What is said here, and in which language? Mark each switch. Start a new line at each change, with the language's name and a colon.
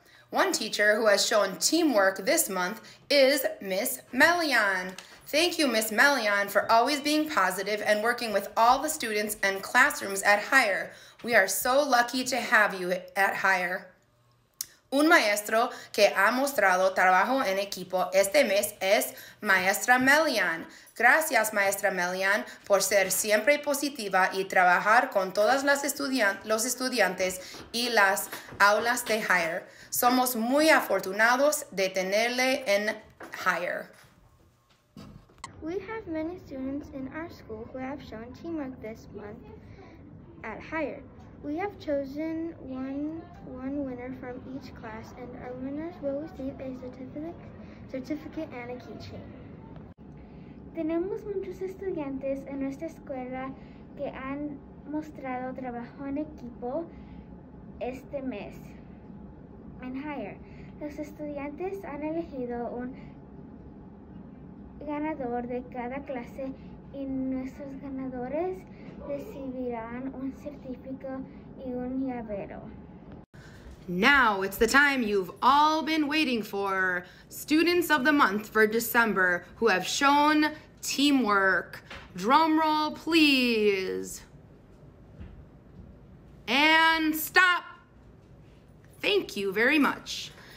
English: One teacher who has shown teamwork this month is Miss Melian. Thank you, Miss Melian, for always being positive and working with all the students and classrooms at Higher. We are so lucky to have you at Higher.
Spanish: Un maestro que ha mostrado trabajo en equipo este mes es Maestra Melian. Gracias, Maestra Melian, por ser siempre positiva y trabajar con todas las los estudiantes y las aulas de Higher. Somos muy afortunados de tenerle en Higher.
English: We have many students in our school who have shown teamwork this month at Higher. We have chosen one winner from each class, and our winners will receive a certificate and a keychain.
Spanish: Tenemos muchos estudiantes en nuestra escuela que han mostrado trabajo en equipo este mes en Higher. Los estudiantes han elegido un ganador de cada clase y nuestros ganadores recibirán un certificado y un llavero.
English: Now it's the time you've all been waiting for. Students of the month for December who have shown teamwork. Drum roll, please. And stop. Thank you very much.